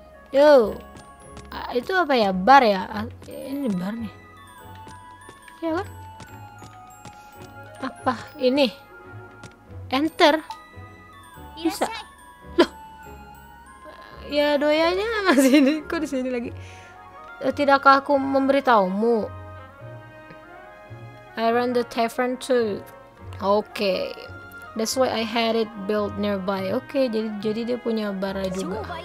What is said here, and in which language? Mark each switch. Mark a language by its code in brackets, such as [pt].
[id] Yo. Itu apa ya? Bar ya? Ini bar nih. Ya kan? Apa? Ini. Enter. Bisa. Loh. Ya doyanya masih ini. Kok di sini lagi? Tidakkah aku memberitahumu? [en] I run the tavern too. Okay, that's why I had it built nearby. [id] Okay, jadi dia punya bara juga.